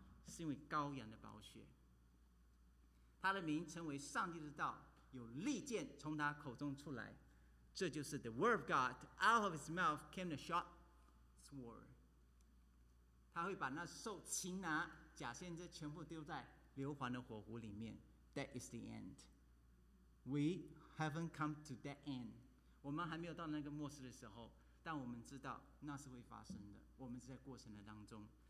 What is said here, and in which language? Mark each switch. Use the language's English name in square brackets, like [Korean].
[Chinese] 是因为羔羊的宝血。他的名称为上帝的道，有利剑从他口中出来。这就是 [English] the word of God, out of his mouth came the sharp sword. [Chinese] 他会把那兽擒拿假先知全部丢在硫磺的火湖里面。 [English] That is the end. We haven't come to that end. [Chinese] 我们还没有到那个末世的时候，但我们知道那是会发生的，我们是在过程的当中。